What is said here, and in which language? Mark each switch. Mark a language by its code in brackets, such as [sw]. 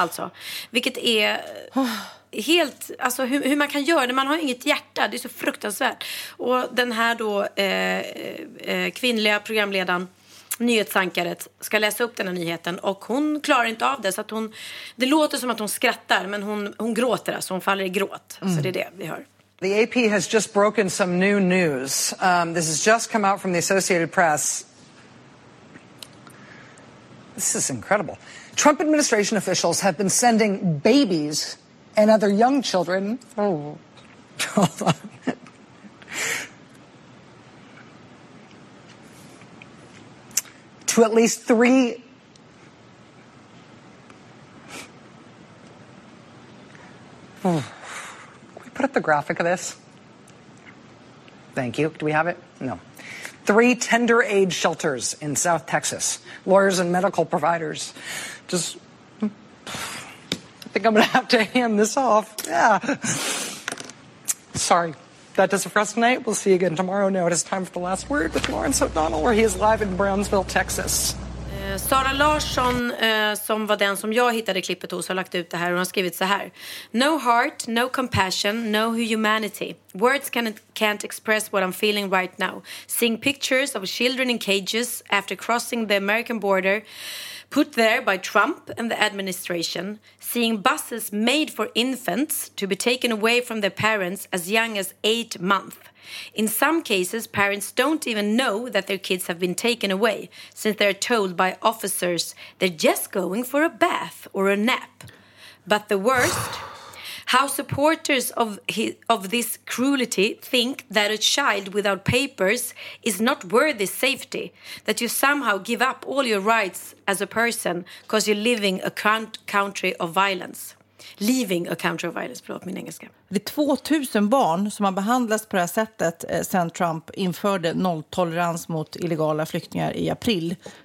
[sv] Alltså, vilket är helt, alltså hur man kan göra det, man har inget hjärta, det är så fruktansvärt. Och den här då kvinnliga programledaren, nyhetsankaret, ska läsa upp den här nyheten och hon klarar inte av det, så att hon, det låter som att hon skrattar, men hon gråter, alltså hon faller i gråt. Så det är det vi hör. [en] The AP has just broken some new news. This has just come out from the Associated Press. This is incredible. Trump administration officials have been sending babies and other young children. To at least three can we put up the graphic of this? Thank you. Do we have it? No. 3 tender age shelters in South Texas. Lawyers and medical providers. Just, I think I'm going to have to hand this off. Yeah. Sorry. That does it for us tonight. We'll see you again tomorrow. Now it is time for The Last Word with Lawrence O'Donnell, where he is live in Brownsville, Texas. [sv] Sara Larsson, som var den som jag hittade klippet hos, har lagt ut det här. Hon har skrivit så här: [en] No heart, no compassion, no humanity. Words can't express what I'm feeling right now. Seeing pictures of children in cages after crossing the American border, put there by Trump and the administration. Seeing buses made for infants to be taken away from their parents as young as 8 months. In some cases, parents don't even know that their kids have been taken away, since they're told by officers they're just going for a bath or a nap. But the worst, how supporters of this cruelty think that a child without papers is not worthy safety, that you somehow give up all your rights as a person because you're living a country of violence. Leaving a country of violence, [sv] förlåt min engelska. Det är 2000 barn som har behandlats på det här sättet sen Trump införde nolltolerans mot illegala flyktingar i april.